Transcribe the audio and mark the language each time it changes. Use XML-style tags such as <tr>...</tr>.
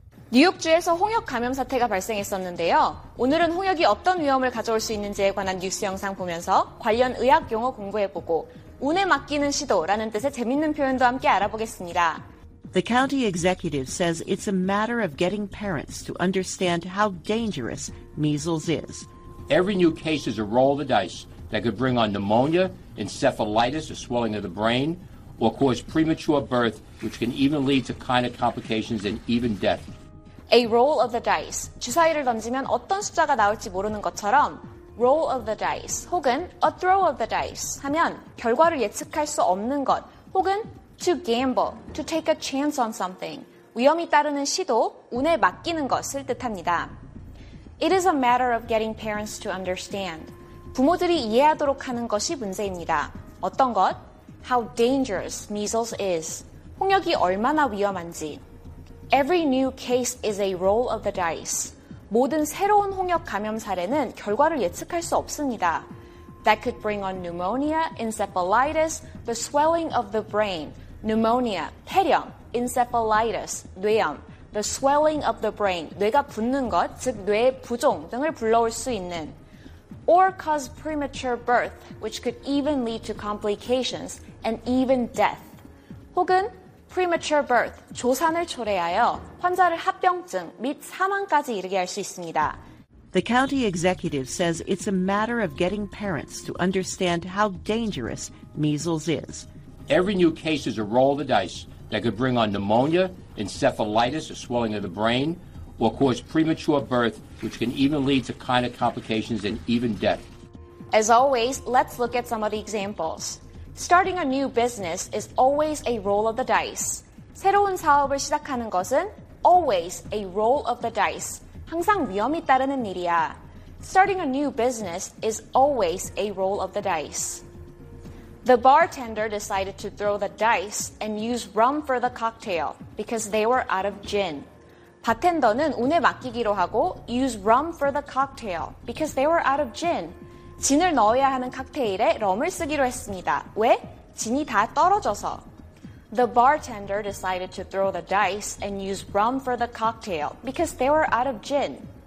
<ko>뉴욕주에서 홍역 감염 사태가 발생했었는데요. 오늘은 홍역이 어떤 위험을 가져올 수 있는지에 관한 뉴스 영상 보면서 관련 의학 용어 공부해보고 운에 맡기는 시도라는 뜻의 재밌는 표현도 함께 알아보겠습니다.</ko> <en>The county executive says it's a matter of getting parents to understand how dangerous measles is. Every new case is a roll of the dice that could bring on pneumonia, encephalitis, a swelling of the brain, or cause premature birth, which can even lead to kind of complications and even death. A roll of the dice.</en> <ko>주사위를 던지면 어떤 숫자가 나올지 모르는 것처럼</ko> <en>roll of the dice</en> <ko>혹은</ko> <en>a throw of the dice</en> <ko>하면 결과를 예측할 수 없는 것 혹은</ko> <en>to gamble, to take a chance on something.</en> <ko>위험이 따르는 시도, 운에 맡기는 것을 뜻합니다.</ko> <en>It is a matter of getting parents to understand.</en> <ko>부모들이 이해하도록 하는 것이 문제입니다. 어떤 것?</ko> <en>How dangerous measles is.</en> <ko>홍역이 얼마나 위험한지.</ko> <en>Every new case is a roll of the dice.</en> <ko>모든 새로운 홍역 감염 사례는 결과를 예측할 수 없습니다.</ko> <en>That could bring on pneumonia, encephalitis, the swelling of the brain.</en> <ko>Pneumonia, 폐렴, encephalitis, 뇌염,</ko> <en>the swelling of the brain,</en> <ko>뇌가 붓는 것, 즉 뇌의 부종 등을 불러올 수 있는.</ko> <en>Or cause premature birth, which could even lead to complications and even death.</en> <ko>혹은 premature birth, 조산을 초래하여 환자를 합병증 및 사망까지 이르게 할 수 있습니다.</ko> <en>The county executive says it's a matter of getting parents to understand how dangerous measles is. Every new case is a roll of the dice that could bring on pneumonia, encephalitis, a swelling of the brain, or cause premature birth, which can even lead to kind of complications and even death. As always, let's look at some of the examples. Starting a new business is always a roll of the dice.</en> <ko>새로운 사업을 시작하는 것은</ko> <en>always a roll of the dice.</en> <ko>항상 위험이 따르는 일이야.</ko> <en>Starting a new business is always a roll of the dice. The bartender decided to throw the dice and use rum for the cocktail because they were out of gin.</en> <ko>바텐더는 운에 맡기기로 하고</ko> <en>use rum for the cocktail because they were out of gin.</en> <ko>진을 넣어야 하는 칵테일에 럼을 쓰기로 했습니다. 왜? 진이 다 떨어져서.</ko> <en>The bartender decided to throw the dice and use rum for the cocktail because they were out of gin.</en>